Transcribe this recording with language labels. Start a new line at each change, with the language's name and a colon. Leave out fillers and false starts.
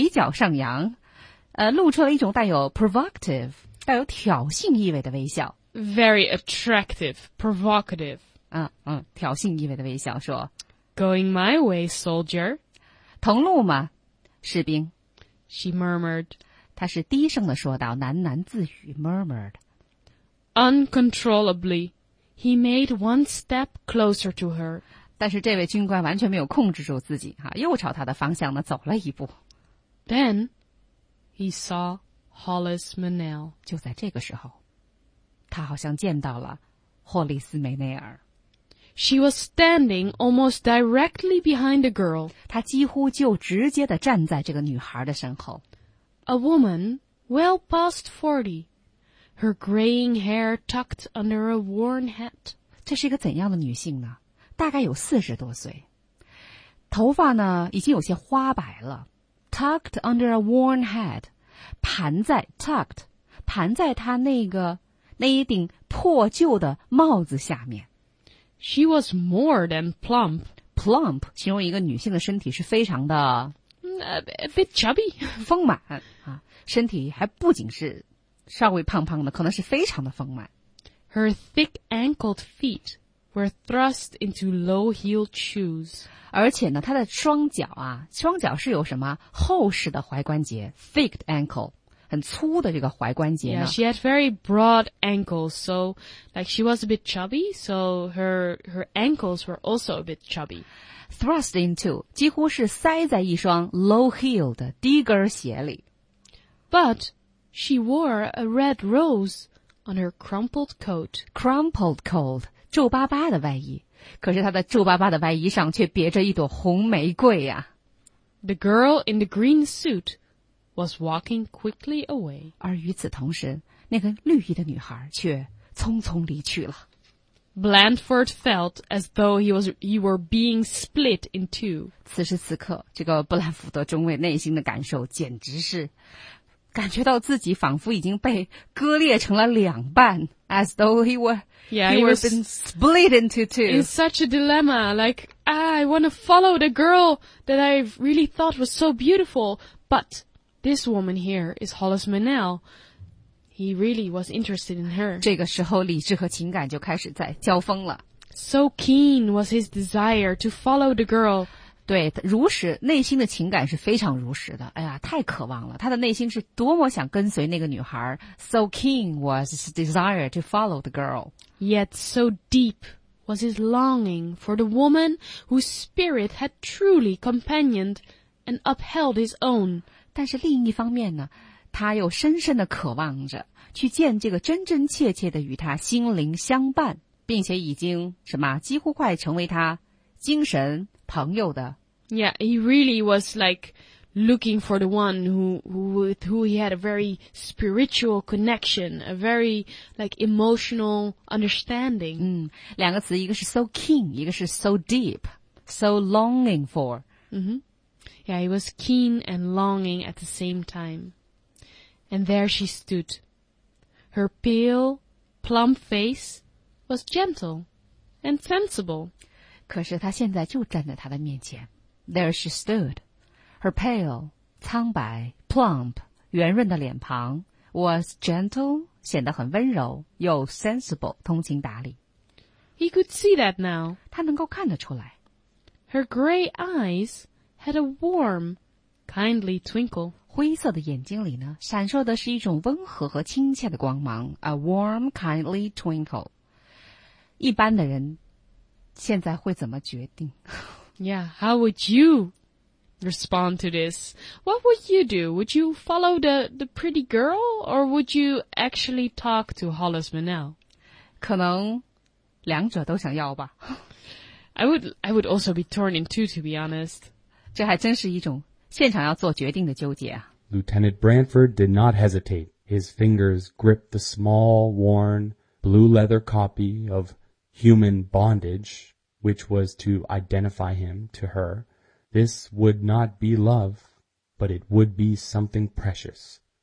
Chinese: 就在他低头走过去的时候呢,这位女孩,年轻的金发女郎,是嘴角上扬,露出了一种带有 provocative, 带有挑衅意味的微笑。Very
English: attractive, provocative.
Chinese: 挑衅意味的微笑说
English: Going my way, soldier.
Chinese: 同路吗?士兵。
English: She murmured.
Chinese: 她是低声地说道,喃喃自语, murmured.
English: uncontrollably. He made one step closer to her.
Chinese: 但是这位军官完全没有控制住自己，又朝他的方向呢走了一步。
English: Then, he saw Hollis Manel.
Chinese: 就在这个时候，他好像见到了霍利斯梅内尔。
English: She was standing almost directly behind the girl.
Chinese: 她几乎就直接地站在这个女孩的身后。
English: A woman, well past 40, her graying hair tucked under a worn hat.
Chinese: 这是一个怎样的女性呢？大概有40多岁。头发呢，已经有些花白了。
English: Tucked under a worn hat,
Chinese: 盘在她那一顶破旧的帽子下面。
English: She was more than plump.
Chinese: Plump, 形容一个女性的身体是非常的
English: a bit chubby.
Chinese: 丰满、啊、身体还不仅是稍微胖胖的，可能是非常的丰满。
English: Her thick ankled feet were thrust into low-heeled shoes.
Chinese: 而且呢，她的双脚是有什么厚实的踝关节 ,thick ankle. 很粗的这个踝关节呢。
English: Yeah, she had very broad ankles, so like she was a bit chubby, so her ankles were also a bit chubby. Thrust into,
Chinese: 几乎是塞在一双 low-heeled, 低跟鞋里。
English: But she wore a red rose on her crumpled coat. Crumpled coat,
Chinese: 皱巴巴的外衣。可是她的皱巴巴的外衣上却别着一朵红玫瑰呀。
English: The girl in the green suit,was walking quickly away.
Chinese: 而与此同时，那个绿衣的女孩却匆匆离去了。
English: Blandford felt as though he were being split in two.
Chinese: 此时此刻，这个布兰福德中尉内心的感受简直是感觉到自己仿佛已经被割裂成了两半。
English: As though he were been split into two. In such a dilemma, like, I want to follow the girl that I really thought was so beautiful, but... This woman here is Hollis Manel. He really was interested in her.
Chinese: 这个时候理智和情感就开始在交锋了。
English: So keen was his desire to follow the girl.
Chinese: 对，如实，内心的情感是非常如实的。哎呀，太渴望了。他的内心是多么想跟随那个女孩。
English: So keen was his desire to follow the girl. Yet so deep was his longing for the woman whose spirit had truly companioned and upheld his own.
Chinese: 但是另一方面呢，他又深深的渴望着去见这个真真切切的与他心灵相伴，并且已经什么几乎快成为他精神朋友的。
English: Yeah, he really was like looking for the one who he had a very spiritual connection, a very like emotional understanding.
Chinese: 嗯，两个词，一个是 so keen, 一个是
English: so deep, so longing for.
Chinese: 嗯哼。
English: Yeah, he was keen and longing at the same time. And there she stood. Her pale, plump face was gentle and sensible.
Chinese: 可是她现在就站在她的面前。
English: There she stood.
Chinese: Her pale, 苍白, plump, 圆润的脸庞
English: was gentle,
Chinese: 显得很温柔, 又 sensible, 通情达理。
English: He could see that now.
Chinese: 她能够看得出来。
English: Her gray eyes... had a warm, kindly twinkle.
Chinese: 灰色的眼睛里呢，闪烁的是一种温和和亲切的光芒。
English: A warm, kindly twinkle.
Chinese: 一般的人现在会怎么决定？
English: Yeah, how would you respond to this? What would you do? Would you follow the pretty girl? Or would you actually talk to Hollis Manel?
Chinese: 可能两者都想要吧。
English: I would also be torn in two, to be honest.
Chinese: 这还真是一种现场要做决定的纠结啊。
English: Lieutenant Branford did not hesitate. His fingers gripped the small, worn, blue leather copy of Human Bondage, which was to identify him to her. This would not be love, but it would be something precious.